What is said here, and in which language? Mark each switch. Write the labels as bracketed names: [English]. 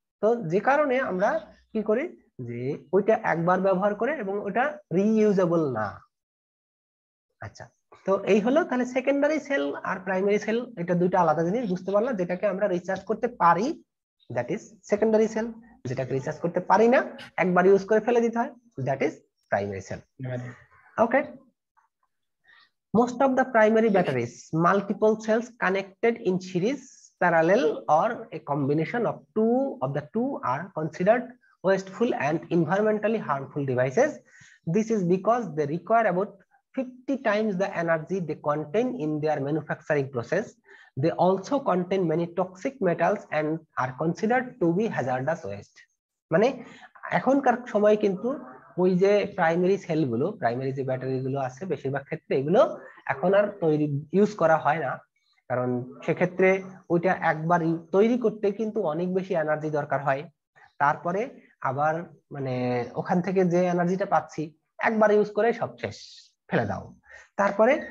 [Bangla] তো যে কারণে আমরা কি করি যে ওইটা একবার ব্যবহার করে এবং ওটা রিইউজেবল না। আচ্ছা, তো এই হলো তাহলে সেকেন্ডারি সেল আর প্রাইমারি সেল, এটা দুইটা আলাদা জিনিস, বুঝতে পারলাম, যেটাকে আমরা রিচার্জ করতে পারি, [English] that is secondary cell, [Bangla] যেটাকে রিচার্জ করতে পারি না, একবার ইউজ করে ফেলে দিতে হয়, [English] That is primary cell. Okay, most of the primary batteries multiple cells connected in series parallel or a combination of two of the two are considered wasteful and environmentally harmful devices. This is because they require about 50 times the energy they contain in their manufacturing process. They also contain many toxic metals and are considered to be hazardous waste. [Bangla] মানে এখনকার সময় কিন্তু ওই যে primary sell গুলো, primary যে battery গুলো আছে বেশিরভাগ ক্ষেত্রে এগুলো এখন আর তৈরি ইউজ করা হয় না, কারণ সেক্ষেত্রে ওইটা একবার তৈরি করতে কিন্তু অনেক বেশি এনার্জি দরকার হয়, তারপরে আবার মানে ওখান থেকে যে এনার্জিটা পাচ্ছি একবার ইউজ করে সব শেষ ফেলে দাও তারপরে।